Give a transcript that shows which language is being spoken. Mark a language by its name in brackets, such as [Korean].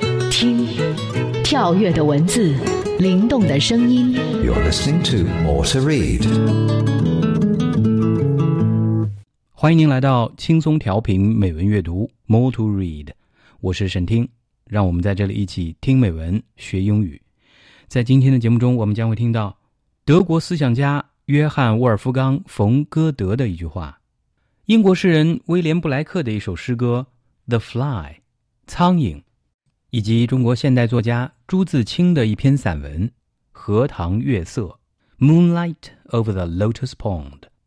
[Chinese] 听，跳跃的文字，灵动的声音。 [English] You're listening to More to Read. [Chinese] 欢迎您来到轻松调频美文阅读 More to Read， 我是沈听，让我们在这里一起听美文学英语。在今天的节目中，我们将会听到德国思想家约翰·沃尔夫冈·冯·歌德的一句话，英国诗人威廉·布莱克的一首诗歌 The Fly， 苍蝇，以及中国现代作家朱自清的一篇散文《荷塘月色》 Moonlight over the Lotus Pond。